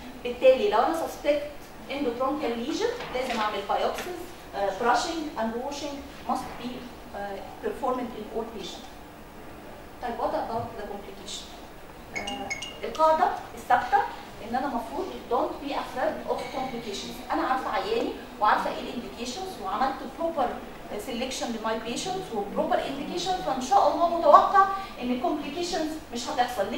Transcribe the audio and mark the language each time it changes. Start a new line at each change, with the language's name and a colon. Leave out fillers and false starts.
Arabic: بالتالي لو انا
English: suspect endobronchial lesion
Arabic: لازم اعمل
English: Biopsies, brushing and washing must be performed in all patient.
Arabic: طيب
English: what about the complication؟
Arabic: القاعدة الثابتة ان انا مفروض
English: don't be afraid of complications.
Arabic: انا عارفة عياني وعارفة ايه الindications وعملت
English: proper selection
Arabic: ل
English: my patients
Arabic: و
English: proper indications،
Arabic: فان شاء الله متوقع ان complications مش هتحصل.